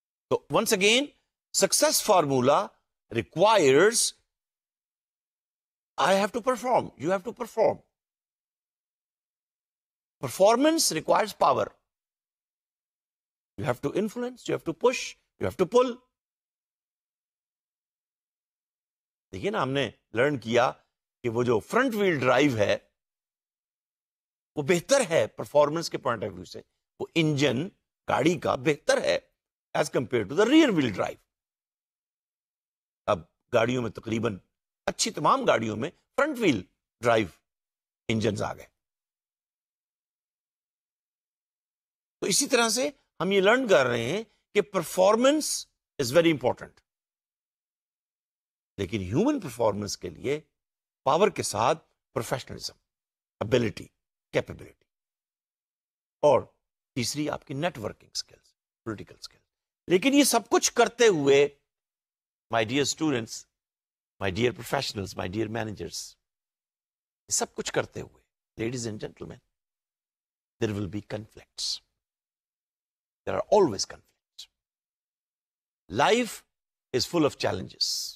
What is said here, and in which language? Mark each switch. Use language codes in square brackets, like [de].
[en] تو once again, success formula requires I have to perform, you have to perform. Performance requires power. You have to influence, you have to push, you have to pull. [ur] دیکھیے نا, ہم نے learn کیا کہ وہ جو front well drive ہے وہ بہتر ہے پرفارمنس کے پوائنٹ آف ویو سے, وہ انجن گاڑی کا بہتر ہے [en] As compare to the rear wheel drive. [ur] اب گاڑیوں میں تقریباً اچھی تمام گاڑیوں میں فرنٹ ویل ڈرائیو انجنز آ گئے. تو اسی طرح سے ہم یہ لرن کر رہے ہیں کہ [en] performance is very important, [ur] لیکن ہیومن پرفارمنس کے لیے پاور کے ساتھ پروفیشنلزم, ابیلٹی, کیپیبلٹی, اور تیسری آپ کی نیٹورکنگ اسکلس, پولیٹیکل اسکلس. لیکن یہ سب کچھ کرتے ہوئے, [en] my dear students, my dear professionals, my dear managers, [ur] سب کچھ کرتے ہوئے, [en] ladies and gentlemen, there will be conflicts. There are always conflicts. Life is full of challenges.